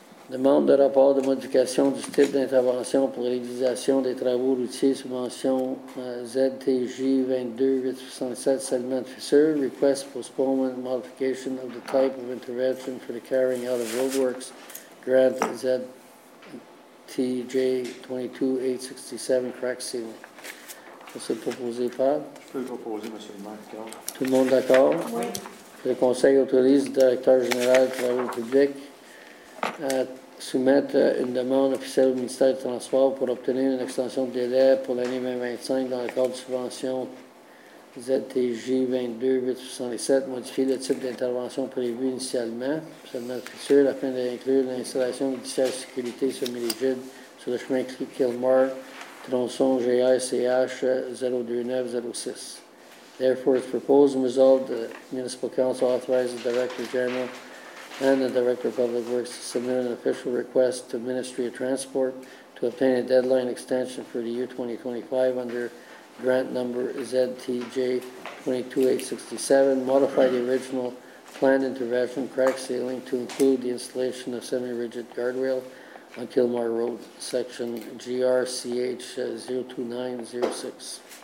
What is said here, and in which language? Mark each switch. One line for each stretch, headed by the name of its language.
French: Demande de rapport de modification du type d'intervention pour réalisation des travaux routiers, subvention ZTJ22867, segment fissure.
English: Request postponement modification of the type of intervention for the carrying out of roadworks. Grant TJ22867, crack ceiling.
French: C'est proposé par? Je peux le proposer, M. le maire. Tout le monde d'accord? Oui. Le conseil autorise le directeur général de travaux publics à soumettre une demande officielle au ministère des Transports pour obtenir une extension de délai pour l'année 2025 dans le cadre de subvention ZTJ22867, modifier le type d'intervention prévu initialement, seulement futur, afin d'inclure l'installation de dissiaires de sécurité semi-rigides sur le chemin Kilmore, tronçon GRCH-029-06.
English: Therefore, it's proposed and resolved the Municipal Council authorizes the Director General and the Director of Public Works to submit an official request to Ministry of Transport to obtain a deadline extension for the year 2025 under grant number ZTJ22867, modify the original planned intervention crack ceiling to include the installation of semi-rigid guardrail on Kilmore Road, section GRCH-02906.